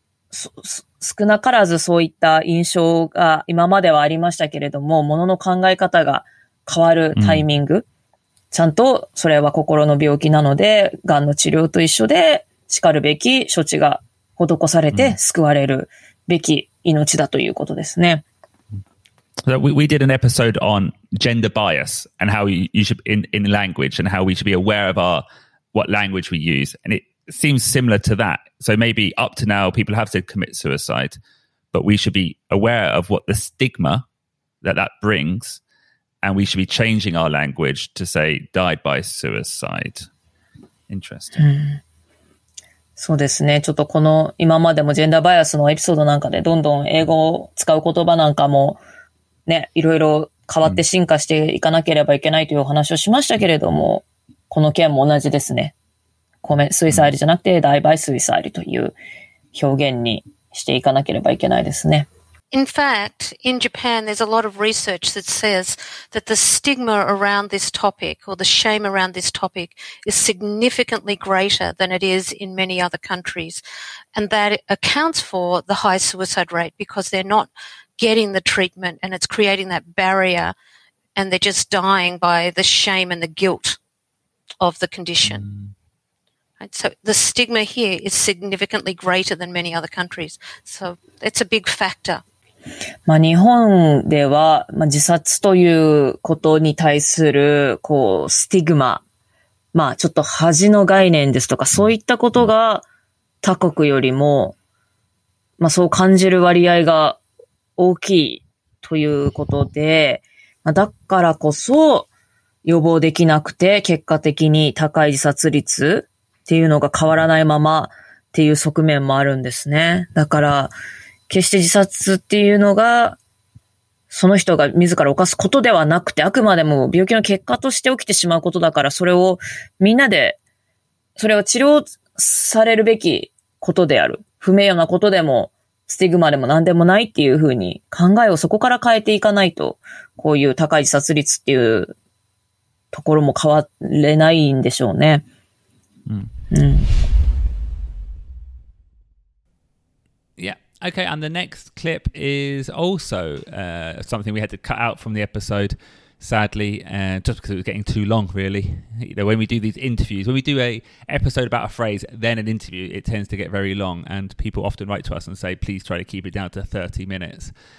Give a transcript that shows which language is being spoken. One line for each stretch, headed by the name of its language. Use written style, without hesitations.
Japanese: 少なからずそういった印象が今まではありましたけれども、ものの考え方が変わるタイミング、うん、ちゃんとそれは心の病気なので、がんの治療と一緒で、しかるべき処置が施されて救われるべき命だということですね。
English: So we did an episode on gender bias and how you should in language and how we should be aware of our what language we use. And it seems similar to that. So maybe up to now people have said commit suicide, but we should be aware of what the stigma that that brings, and we should be changing our language to say died by suicide. Interesting. Mm.
Japanese: そうですね。ちょっとこの今までもジェンダーバイアスのエピソードなんかでどんどん英語を使う言葉なんかもね、いろいろ変わって進化していかなければいけないというお話をしましたけれども、この件も同じですね。
English: コメ、スイサイル
Japanese: じゃなくて、
English: ダイバイスイサイル
Japanese: という表現にしていかなければいけないですね。
English: In fact, in Japan, there's a lot of research that says that the stigma around this topic or the shame around this topic is significantly greater than it is in many other countries. And that accounts for the high suicide rate because they're not getting the treatment and it's creating that barrier and they're just dying by the shame and the guilt of the condition. Right? So the stigma here is significantly greater than many other countries. So it's a big factor.
Japanese: まあ、日本では、まあ、自殺ということに対するこうスティグマ、まあ、ちょっと恥の概念ですとかそういったことが他国よりも、まあ、そう感じる割合が大きいということで、まあ、だからこそ予防できなくて結果的に高い自殺率っていうのが変わらないままっていう側面もあるんですね。だから決して自殺っていうのが、その人が自ら犯すことではなくて、あくまでも病気の結果として起きてしまうことだから、それをみんなで、それは治療されるべきことである。不名誉なことでも、スティグマでも何でもないっていうふうに考えをそこから変えていかないと、こういう高い自殺率っていうところも変われないんでしょうね。うん。うん。
English: Okay, and the next clip is also something we had to cut out from the episode, sadly, just because it was getting too long, really. You know, when we do these interviews, when we do a episode about a phrase, then an interview, it tends to get very long, and people often write to us and say, please try to keep it down to 30 minutes.